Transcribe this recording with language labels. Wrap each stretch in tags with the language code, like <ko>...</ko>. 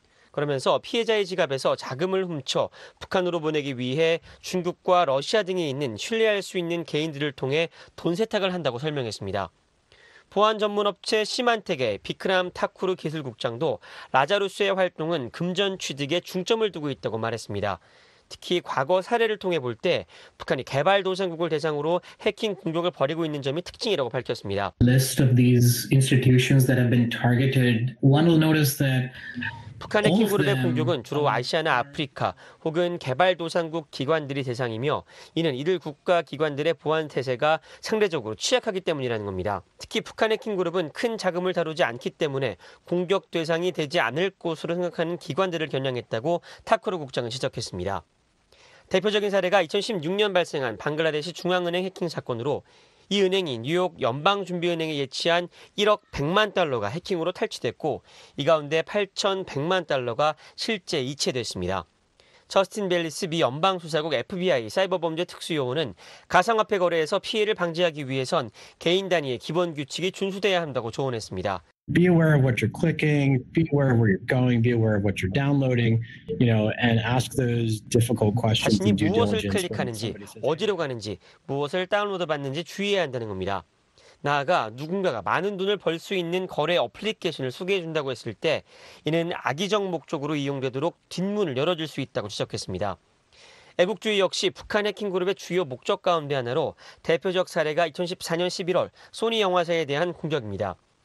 <ko>그러면서 피해자의 지갑에서 자금을 훔쳐 북한으로 보내기 위해 중국과 러시아 등에 있는 신뢰할 수 있는 개인들을 통해 돈 세탁을 한다고 설명했습니다. 보안 전문업체 시만텍의 비크람 타쿠르 기술국장도 라자루스의 활동은 금전 취득에 중점을 두고 있다고 말했습니다. 특히 과거 사례를 통해 볼 때 북한이 개발 도상국을 대상으로 해킹 공격을 벌이고 있는 점이 특징이라고 밝혔습니다.</ko> <en>List of these institutions that have been targeted. One will notice that</en> <ko>북한 해킹 그룹의 공격은 주로 아시아나 아프리카 혹은 개발도상국 기관들이 대상이며 이는 이들 국가 기관들의 보안 태세가 상대적으로 취약하기 때문이라는 겁니다. 특히 북한 해킹 그룹은 큰 자금을 다루지 않기 때문에 공격 대상이 되지 않을 것으로 생각하는 기관들을 겨냥했다고 타쿠르 국장은 지적했습니다. 대표적인 사례가 2016년 발생한 방글라데시 중앙은행 해킹 사건으로 이 은행이 뉴욕 연방준비은행에 예치한 1억 100만 달러가 해킹으로 탈취됐고 이 가운데 8,100만 달러가 실제 이체됐습니다. 저스틴 벨리스 미 연방수사국 FBI 사이버범죄특수요원은 가상화폐 거래에서 피해를 방지하기 위해선 개인 단위의 기본 규칙이 준수돼야 한다고 조언했습니다.</ko> <en>Be aware of what you're clicking, be aware of where you're going, be aware of what you're downloading, you know, and ask those difficult questions.</en> <ko>자신이 무엇을 클릭하는지, 어디로 가는지, 무엇을 다운로드 받는지 주의해야 한다는 겁니다. 나아가 누군가가 많은 돈을 벌 수 있는 거래 어플리케이션을 소개해 준다고 했을 때 이는 악의적 목적으로 이용되도록 뒷문을 열어줄 수 있다고 지적했습니다. 애국주의 역시 북한 해킹 그룹의 주요 목적 가운데 하나로 대표적 사례가 2014년 11월 소니 영화사에 대한 공격입니다.</ko>